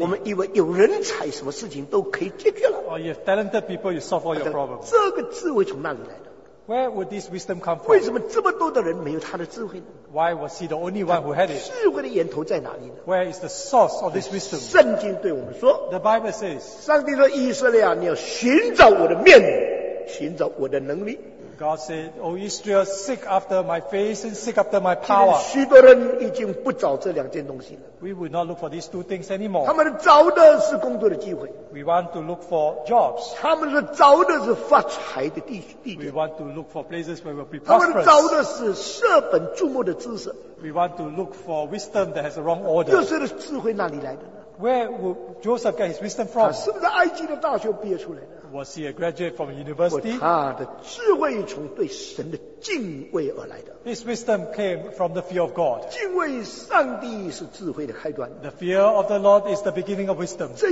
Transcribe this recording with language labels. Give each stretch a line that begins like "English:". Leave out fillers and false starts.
Chinese: 我们以为有人才， 什么事情都可以解决了。
English: Or you have talented people, you solve all your problems.
Chinese: 这个智慧从哪里来的？
English: Where would this wisdom come from?
Chinese: 为什么这么多的人没有他的智慧呢？
English: Why was he the only one who had it?
Chinese: 智慧的源头在哪里呢？
English: Where is the source of this wisdom?
Chinese: 圣经对我们说，
English: The Bible says,
Chinese: 上帝说，以色列啊， 你要寻找我的面， 寻找我的能力。
English: God said, O Israel, seek after my face and seek after my power.
Chinese: 今天许多人已经不找这两件东西了。
English: We would not look for these two things anymore.
Chinese: 他们找的是工作的机会。
English: We want to look for jobs.
Chinese: 他们找的是发财的地区。
English: We want to look for places where we'll be prosperous.
Chinese: 他们找的是舍本注目的知识。
English: We want to look for wisdom that has the wrong order.
Chinese: 又是智慧哪里来的呢？
English: Where would Joseph get his wisdom from?
Chinese: 他是不是埃及的大学毕业出来的？
English: Was he a graduate from university?
Chinese: 他的智慧从对神的敬畏而来的。
English: His wisdom came from the fear of God.
Chinese: 敬畏上帝是智慧的开端。
English: The fear of the Lord is the beginning of wisdom.